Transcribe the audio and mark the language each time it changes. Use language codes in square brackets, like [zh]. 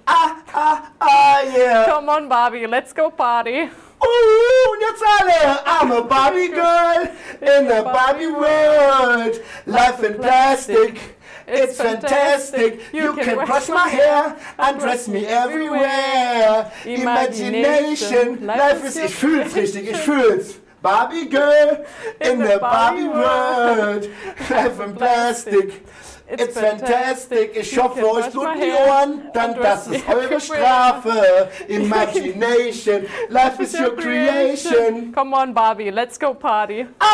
[en] Yeah. Come on, Barbie, let's go party. [de] Und jetzt alle, [en] I'm a Barbie girl in a Barbie world. Life in plastic, it's fantastic. You can brush my hair and dress me everywhere. Imagination, life is, [de] ich fühl's richtig, ich fühl's. [en] Barbie girl in a Barbie world. Life in plastic, it's fantastic. [de] Ich hoffe, euch tut die Ohren, dann das ist eure Strafe. [en] Imagination, life is your creation. Come on, Barbie, let's go party.